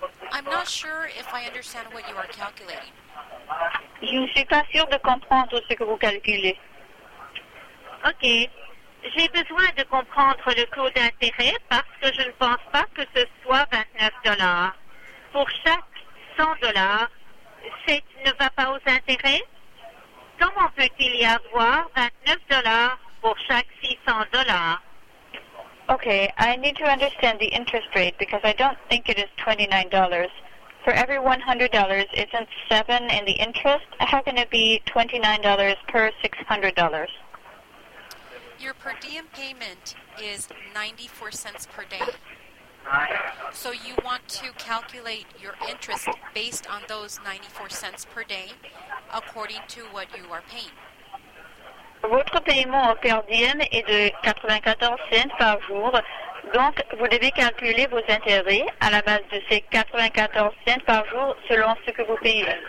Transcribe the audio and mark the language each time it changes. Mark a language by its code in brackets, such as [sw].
[en] I'm not sure if I understand what you are calculating. [fr] Je ne suis pas sûre de comprendre ce que vous calculez. [en] Okay. [fr] J'ai besoin de comprendre le taux d'intérêt parce que je ne pense pas que ce soit 29 $. Pour chaque 100 $, ça ne va pas aux intérêts? Comment peut-il y avoir 29 $ pour chaque 600 $? [en] Okay, I need to understand the interest rate because I don't think it is $29. For every $100, isn't 7 in the interest? How can it be $29 per $600? Your per diem payment is 94 cents per day. So you want to calculate your interest based on those 94 cents per day according to what you are paying. [fr] Votre paiement au per diem est de 94 cents par jour. Donc, vous devez calculer vos intérêts à la base de ces 94 cents par jour selon ce que vous payez.